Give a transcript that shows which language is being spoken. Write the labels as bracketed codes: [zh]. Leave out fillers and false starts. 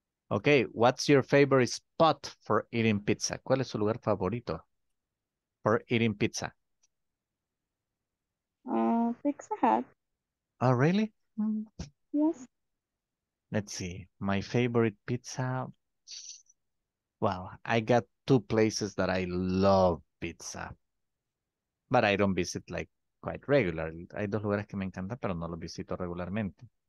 [en] Okay, what's your favorite spot for eating pizza? [es] ¿Cuál es su lugar favorito [en] for eating pizza? Pizza Hut. Oh, really? Yes. Let's see. My favorite pizza. Well, I got two places that I love pizza. But I don't visit like quite regularly. [es] Hay dos lugares que me encantan, pero no los visito regularmente.